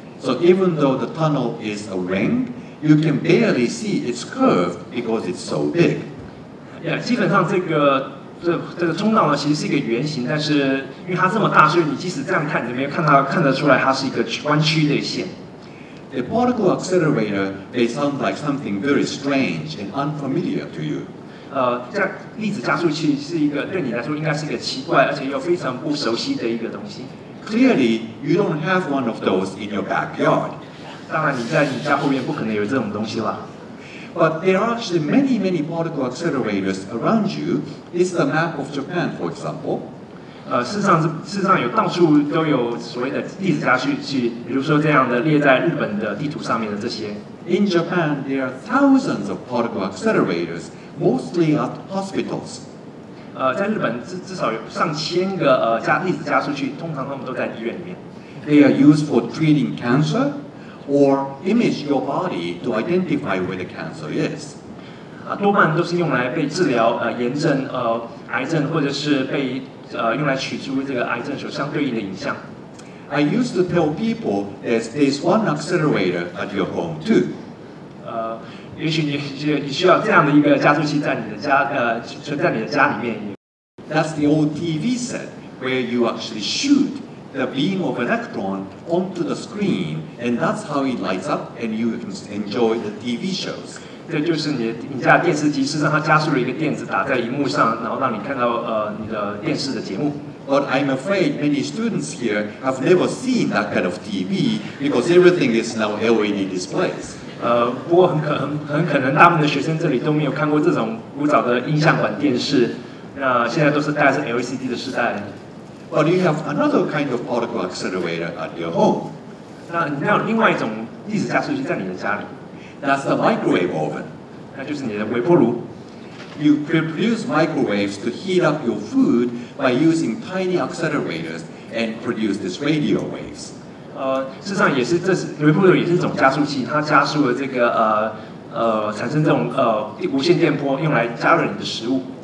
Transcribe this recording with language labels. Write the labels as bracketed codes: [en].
[en] So even though the tunnel is a ring, you can barely see its curve because it's so big. [zh] Yeah, 基本上这个通道呢，其实是一个圆形，但是因为它这么大，所以你即使这样看，你没有看得出来它是一个弯曲的线。 [en] The particle accelerator may sound like something very strange and unfamiliar to you. [zh] 粒子加速器是一个对你来说应该是一个奇怪而且又非常不熟悉的一个东西。 [en] Clearly, you don't have one of those in your backyard. [zh] 当然，你在你家后面不可能有这种东西了。 [en] But there are actually many, many particle accelerators around you. This is a map of Japan, for example. [zh] 事实上有到处都有所谓的粒子加速器，比如说这样的列在日本的地图上面的这些。 [en] In Japan, there are thousands of particle accelerators, mostly at hospitals. [zh] 在日本至少有上千个粒子加速器，通常他们都在医院里面。 [en] They are used for treating cancer. Or image your body to identify where the cancer is. [zh] 多半都是用来被治疗炎症癌症，或者是被用来取出这个癌症所相对应的影像。 [en] I used to tell people that there's one accelerator at your home too. [zh] 也许你需要这样的一个加速器在你的家存在你的家里面。 [en] That's the old TV set where you actually shoot. The beam of electron onto the screen, and that's how it lights up, and you can enjoy the TV shows. [zh] 这就是你家电视机，事实上它加速了一个电子打在荧幕上，然后让你看到你的电视的节目。 [en] But I'm afraid many students here have never seen that kind of TV because everything is now LED displays. [zh] 不过很可能大部分的学生这里都没有看过这种古早的音像管电视，那现在都是带着 LCD 的时代。 [en] But you have another kind of particle accelerator at your home. [zh] 那你还有另外一种粒子加速器在你的家里。 [en] That's the microwave oven. [zh] 那就是你的微波炉。 [en] You produce microwaves to heat up your food by using tiny accelerators and produce these radio waves. [zh] 事实上也是，这是微波炉也是一种加速器，它加速了这个产生这种无线电波，用来加热你的食物。